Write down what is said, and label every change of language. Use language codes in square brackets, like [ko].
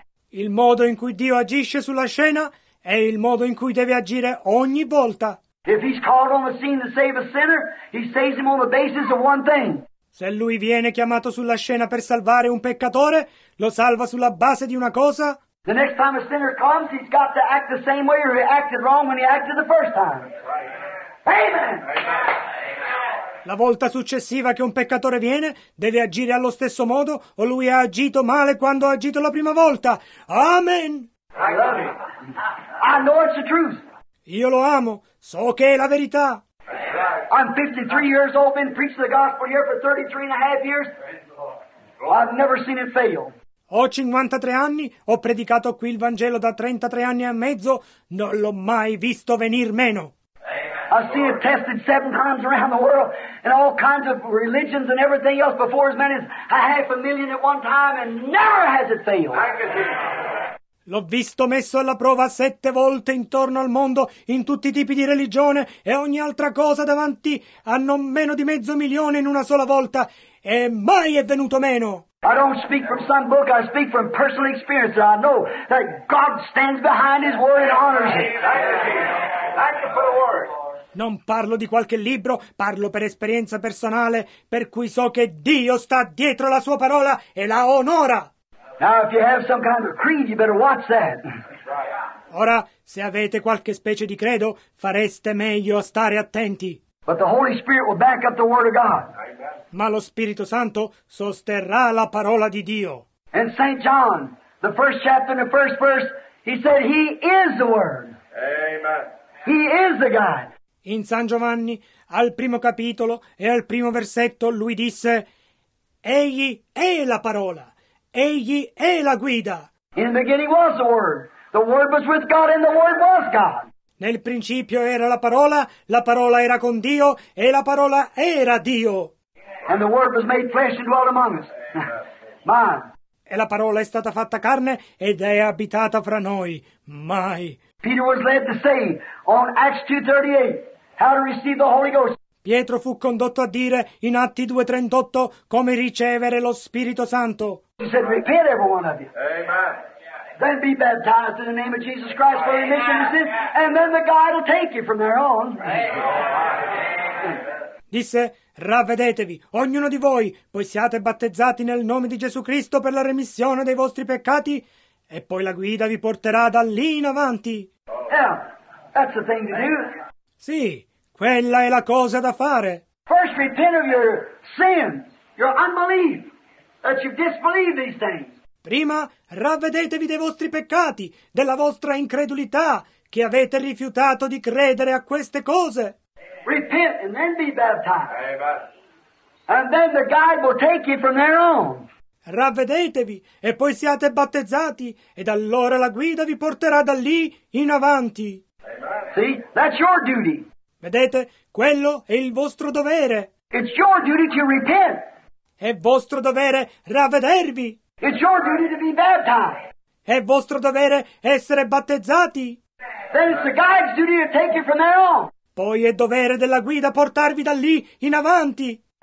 [it] Il modo in cui Dio agisce sulla scena è il modo in cui deve agire ogni volta. [en] If he's called on the scene to save a sinner, he saves him on the basis of one thing. [it] Se lui viene chiamato sulla scena per salvare un peccatore, lo salva sulla base di una cosa. [en] The next time a sinner comes, he's got to act the same way or he acted wrong when he acted the first time. Amen. Amen. [it] La volta successiva che un peccatore viene, deve agire allo stesso modo o lui ha agito male quando ha agito la prima volta. [en] Amen. I love you. I know it's the truth. [it] Io lo amo. So che è la verità. [en] I'm 53 years old, been preaching the gospel here for 33 and a half years. Well, I've never seen it fail. [it] Ho 53 anni, ho predicato qui il Vangelo da 33 anni e mezzo, non l'ho mai visto venir meno. [en] Amen. I see it tested 7 times around the world in all kinds of religions and everything else before as many as 500,000 at one time, and never has it failed. [it] L'ho visto messo alla prova 7 volte intorno al mondo, in tutti i tipi di religione e ogni altra cosa, davanti a non meno di 500,000 in una sola volta, e mai è venuto meno. [en] I don't speak from some book, I speak from personal experience. I know that God stands behind his word and honors it. Thank you for the word. [it] Non parlo di qualche libro, parlo per esperienza personale, per cui so che Dio sta dietro la sua parola e la onora. [en] Now, if you have some kind of creed, you better watch that. [it] Ora, se avete qualche specie di credo, fareste meglio a stare attenti. [en] But the Holy Spirit will back up the Word of God. [it] Ma lo Spirito Santo sosterrà la parola di Dio. [en] And St. John, the first chapter and the first verse, he said he is the Word. Amen. He is the God. [it] In San Giovanni, al primo capitolo e al primo versetto, lui disse: Egli è la parola. Egli è la guida. [en] In the beginning was the Word. The Word was with God and the Word was God. [it] Nel principio era la parola era con Dio e la parola era Dio. [en] And the Word was made flesh and dwelt among us. [it] Mai. E la parola è stata fatta carne ed è abitata fra noi. Mai. [en] Peter was led to say on Acts 2:38 how to receive the Holy Ghost. [it] Pietro fu condotto a dire in Atti 2:38 come ricevere lo Spirito Santo. [en] He said, repent every one of you. Amen. Then be baptized in the name of Jesus Christ for remission of sins, and then the guide will take you from there on. [it] Disse, ravvedetevi, ognuno di voi, poi siate battezzati nel nome di Gesù Cristo per la remissione dei vostri peccati, e poi la guida vi porterà da lì in avanti. [en] Yeah, that's the thing to do. [it] Sì, quella è la cosa da fare. [en] First repent of your sins, your unbelief, that you disbelieve these things. [it] Prima ravvedetevi dei vostri peccati, della vostra incredulità, che avete rifiutato di credere a queste cose. [en] Repent and then be baptized. Amen. And then the guide will take you from there on. [it] Ravvedetevi e poi siate battezzati, ed allora la guida vi porterà da lì in avanti. [en] Amen. See, that's your duty. [it] Vedete, quello è il vostro dovere. [en] It's your duty to repent. [it] È vostro dovere ravvedervi. [en] It's your duty to be baptized. [it] È vostro dovere essere battezzati. [en] Then it's the guide's duty to take you from there on. [it] Poi è dovere della guida portarvi da lì in avanti.